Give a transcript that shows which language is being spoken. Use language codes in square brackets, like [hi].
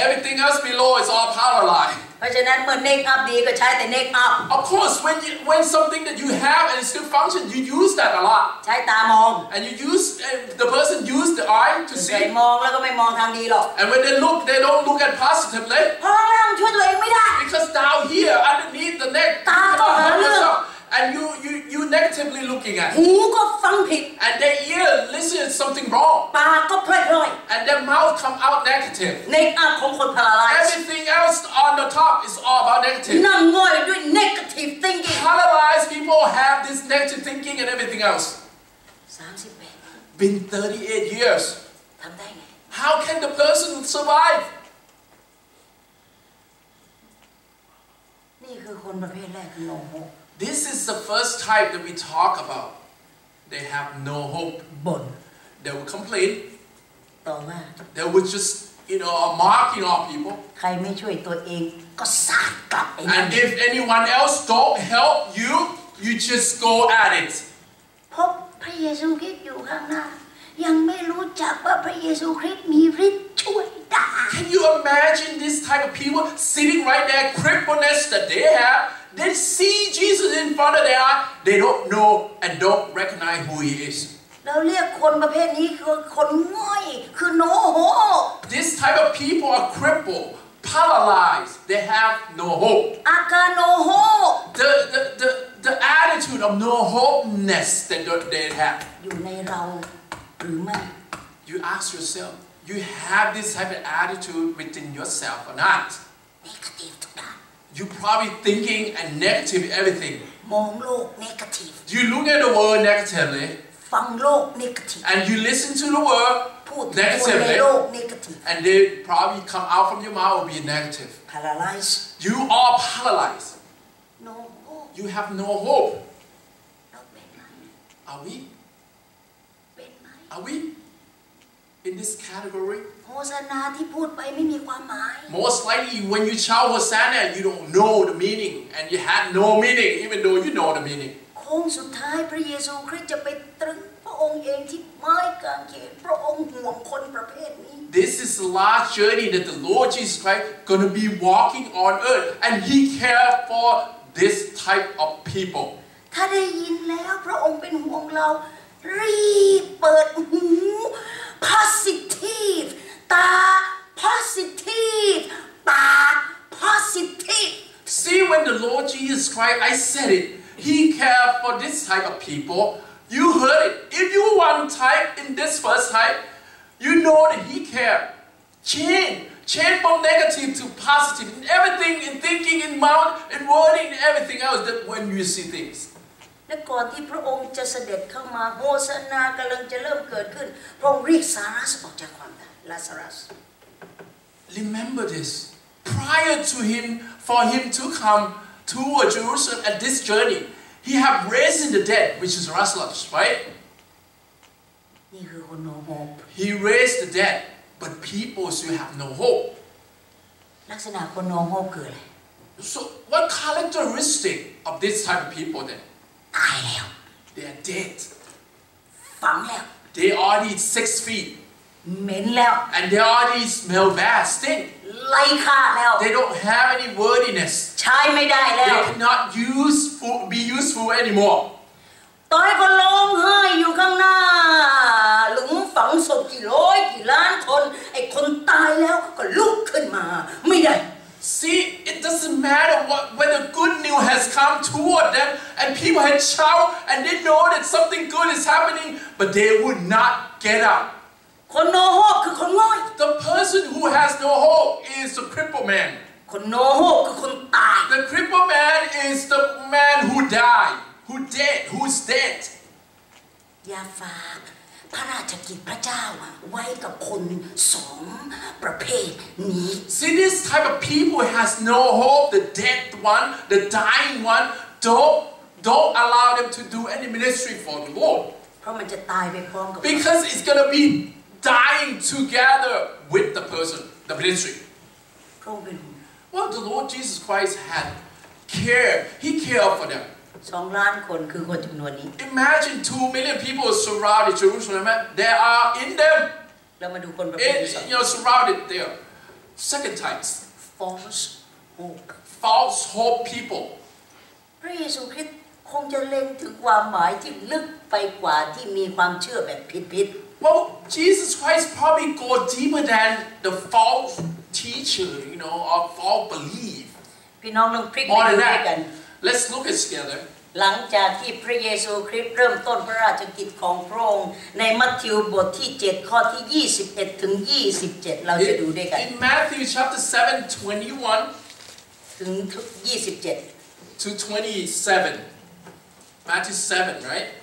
[en] Everything else below is all paralyzed. [th] เพราะฉะนั้นเมื่อ [en] neck up [th] ดีก็ใช้แต่ [en] neck up. Of course, when something that you have and still function, you use that a lot. [th] ใช้ตามอง [en] And you use the person use the eye to see. [th] ไม่มองแล้วก็ไม่มองทางดีหรอก [en] And when they look, they don't look at positively. [th] เพราะร่างช่วยตัวเองไม่ได้ [en] Because down here underneath the neck, [th] ตาก็หาเรื่อง [en] and you negatively looking at. [th] หูก็ฟังผิด [en] and their ear listens something wrong. [th] ปากก็พล่อย [en] and their mouth come out negative. [th] ในอาของคนพาราไลซ์ [en] everything else on the top is all about negative. [th] นั่งง่อยด้วย [en] negative thinking. Paralyzed people have this negative thinking and everything else. 38 been 38 years. [th] ทำได้ไง [en] How can the person survive? [th] นี่คือคนประเภทแรกคือ [en] no hope This is the first type that we talk about They have no hope [th] บ่น [en] They will complain [th] ต่อมา [en] They will just you know mocking all people [th] ใครไม่ช่วยตัวเองก็สาดกลับไอ้นี่ [en] And if anyone else don't help you you just go at it [th] พบพระเยซูคริสต์อยู่ข้างหน้ายังไม่รู้จักว่าพระเยซูคริสต์มีฤทธิ์ช่วยได้ [en] Can you imagine this type of people sitting right there, crippledness that they have? They see Jesus in front of their eye, they don't know and don't recognize who he is. [th] เราเรียกคนประเภทนี้คือคนง่อยคือ [en] no hope. This type of people are crippled, paralyzed. They have no hope. [th] อาการ [en] no hope. The attitude of no hopeness that they have. [th] อยู่ในเราหรือไม่ [en] You ask yourself, you have this type of attitude within yourself or not? [th] Negative ทุกอย่าง [en] You probably thinking and negative everything. [th] มองโลก negative. [en] You look at the world negatively. [th] ฟังโลก negative. [en] And you listen to the world negatively. [th] พูดโลก negative. [en] And they probably come out from your mouth will be negative. Paralyzed. You are paralyzed. No hope. You have no hope. No hope. Are we? Are we in this category? [th] Hosanna ที่พูดไปไม่มีความหมาย [en] Most likely when you shout Hosanna you don't know the meaning and you had no meaning even though you know the meaning. [th] โค้งสุดท้ายพระเยซูคริสต์จะไปตรึงพระองค์เองที่ไม้กางเขนพระองค์ห่วงคนประเภทนี้ [en] This is the last journey that the Lord Jesus Christ gonna be walking on earth and he cared for this type of people. [th] ถ้าได้ยินแล้วพระองค์เป็นห่วงเรารีบเปิดหู positive ตา positive ปาก positive [en] See when the Lord Jesus Christ I said it He care for this type of people You heard it If you one type in this first type You know that He care Change from negative to positive in everything in thinking in mouth in wording in everything else that when you see things [th] และก่อนที่พระองค์จะเสด็จเข้ามาโฮสนากำลังจะเริ่มเกิดขึ้นพระองค์เรียกซารัสออกจากความตายลาซารัส [en] Remember this prior to him for him to come toward Jerusalem at this journey he have raised the dead which is Lazarus right [th] นี่คือคน [en] no hope he raised the dead but people still have no hope [th] ลักษณะคน [en] no hope [th] คืออะไร [en] so what characteristic of this type of people then [th] ตายแล้ว [en] They are dead [th] ฝังแล้ว [en] They already 6 feet [th] เหม็นแล้ว [en] And they already smell bad stink [th] ไร้ค่าแล้ว [en] They don't have any worthiness [th] ใช้ไม่ได้แล้ว [en] They cannot be useful anymore [th] ตอนก็ร้องไห้อยู่ข้างหน้าหลุมฝังศพกี่ร้อยกี่ล้านคนไอ้คนตายแล้วก็ลุกขึ้นมาไม่ได้ [en] See, it doesn't matter whether good news has come toward them and people had shout and they know that something good is happening, but they would not get up. [th] คน [en] no hope [th] คือคนง่อย [en] The person who has no hope is the crippled man. [th] คน [en] no hope [th] คือคนตาย [en] The crippled man is the man who died, who dead, who's dead. [th] อย่าฝากพระราชกิจพระเจ้าไว้กับคน2ประเภทนี้ [en] See this type of people has no hope the dead one the dying one don't allow them to do any ministry for the Lord [th] เพราะมันจะตายไปพร้อมกับ [en] Because it's going to be dying together with the person the ministry [th] พระองค์เป็น [en] Well the Lord Jesus Christ had care he cared for them [th] 2ล้านคนคือคนจำนวนนี้ [en] Imagine 2 million people surrounded Jerusalem there are in them [th] เรามาดูคนประเภทที่สอง [en] You're surrounded there. Second type. False hope. False hope people. [th] พระเยซูคริสต์คงจะเล็งถึงความหมายที่ลึกไปกว่าที่มีความเชื่อแบบผิด [en] ๆ Well, Jesus Christ probably go deeper than the false teacher, you know, or false belief. [th] พี่น้องลองพลิกไปดูด้วยกัน [en] Let's look at it together. [th] หลังจากที่พระเยซูคริสต์เริ่มต้นพระราชกิจของพระองค์ในมัทธิวบทที่7ข้อที่21ถึง27เราจะดูด้วยกัน [en] In Matthew chapter 7 21 [th] ถึง27 [en] to 27 Matthew 7 right